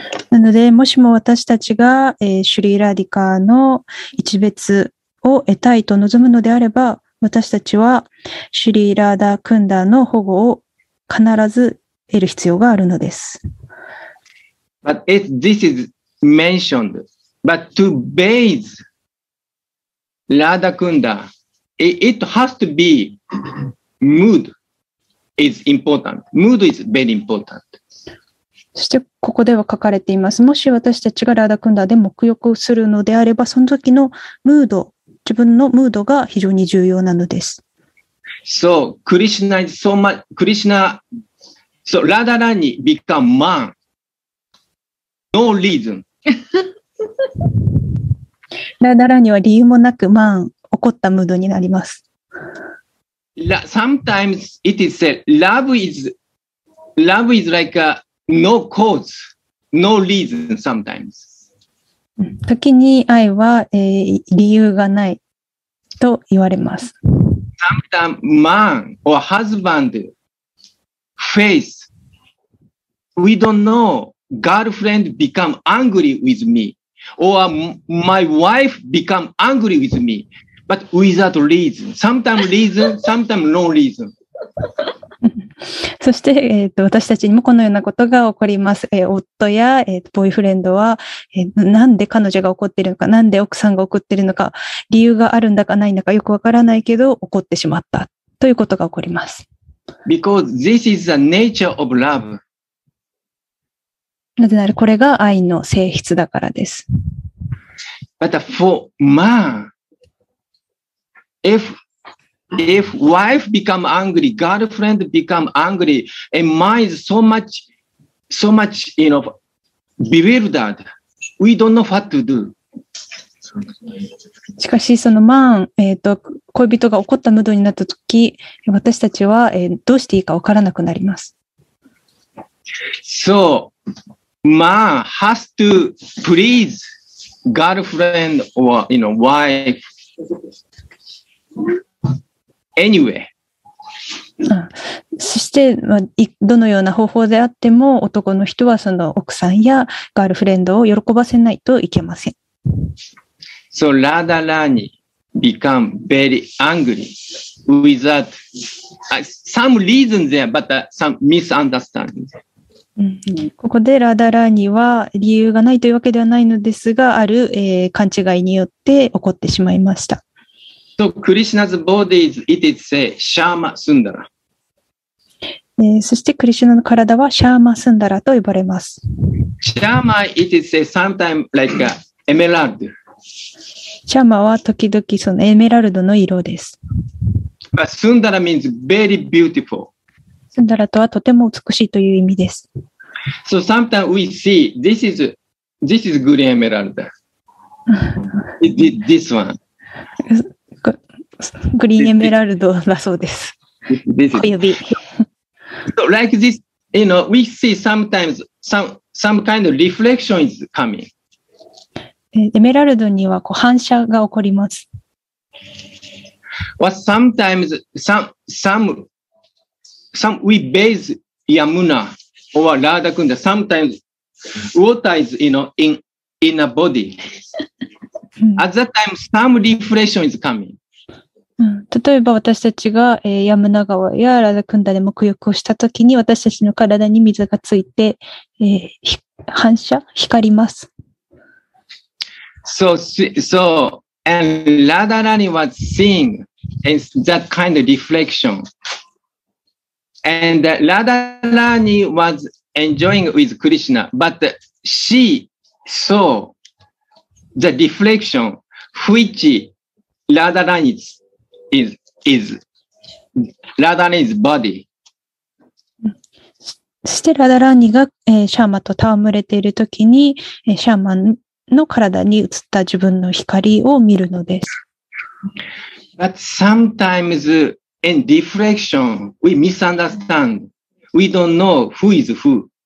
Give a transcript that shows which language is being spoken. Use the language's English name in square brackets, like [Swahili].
[Japanese] なのでもしも私たちが、シュリー・ラディカの一別を得たいと望むのであれば、私たちはシュリー・ラーダ・クンダの保護を必ず得る必要があるのです。 [English] But if this is mentioned, but to bathe ラーダ・クンダ it has to be mood is important. Mood is very important [Japanese] そしてここでは書かれています。もし私たちがラーダクンダで沐浴をするのであれば、その時のムード、自分のムードが非常に重要なのです。 [English] So, Krishna is so much, Krishna, so Radha Rani become man. No reason. [Japanese] ラーダラーニは理由もなく、man、怒ったムードになります。 [English] Sometimes it is said, love is like aNo cause, no reason sometimes. [Japanese] 時に愛は、理由がないと言われます。 [English] Sometimes man or husband face, we don't know, girlfriend become angry with me, or my wife become angry with me, but without reason. Sometimes reason, sometimes no reason. [Japanese] そして、私たちにもこのようなことが起こります。夫や、ボーイフレンドは、なんで彼女が怒っているのか、なんで奥さんが怒っているのか、理由があるんだかないんだかよくわからないけど、怒ってしまったということが起こります。 [English] Because this is the nature of love. [Japanese] なぜならこれが愛の性質だからです。 [English] But for man, if wife become angry, girlfriend become angry, and mind so much, you know, bewildered, we don't know what to do. [Japanese] しかし、そのマン、恋人が怒ったムードになった時、私たちは、どうしていいか分からなくなります。 [English] So, man has to please girlfriend or, you know, wife. Anyway. [Japanese] そして、どのような方法であっても、男の人はその奥さんやガールフレンドを喜ばせないといけません。 [English] So, Radharani become very angry without some reason there, but some misunderstanding. [Japanese] ここでラダラーニは理由がないというわけではないのですが、ある、勘違いによって起こってしまいました。 [English] So, Krishna's body is, it is say, Shama Sundara. [Japanese] そして、クリシュナの体はシャーマスンダラと呼ばれます。 [English] Shama, it is say, sometimes like an emerald. [Japanese] シャーマは時々そのエメラルドの色です。 [English] But Sundara means very beautiful. [Japanese] スンダラとはとても美しいという意味です。 [English] So, sometimes we see, this is green emerald. this one. [Japanese] グリーンエメラルドだそうです。および。 [English] So, like this, you know, we see sometimes some kind of reflection is coming. [Japanese] エメラルドにはこう反射が起こります。 [English] What sometimes some we bathe Yamuna or Radha Kunda, sometimes water is, you know, in a body. At that time, some reflection is coming. [Japanese] 例えば私たちが、ヤムナ川やラダクンダで沐浴をしたときに私たちの体に水がついて、反射光ります。 [English] So, and Radharani was seeing that kind of reflection. And Radharani was enjoying with Krishna, but she saw the reflection which Radharani is Radharani's body. [Japanese] そしてラダラーニが、シャーマと戯れているときに、シャーマの体に映った自分の光を見るのです。 [English] But sometimes in reflection, we misunderstand. We don't know who is who.